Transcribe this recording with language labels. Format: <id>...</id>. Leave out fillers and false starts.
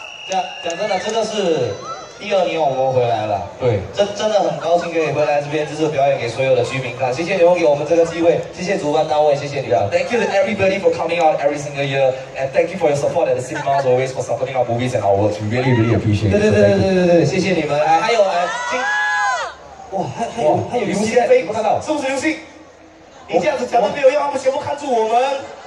<zh>讲真的，真的是第二年我们回来了。对，真的很高兴可以回来这边，就是表演给所有的居民看。谢谢你们给我们这个机会，谢谢主办单位，谢谢你们。</zh> <en>Thank you to everybody for coming out every single year, and thank you for your support at the cinemas always for supporting our movies and our works. We really really appreciate it.</en> <zh>对，谢谢你们。还有，哇，还有流星，看到是不是流星？你这样子讲都没有用，他们全部看住我们。</zh>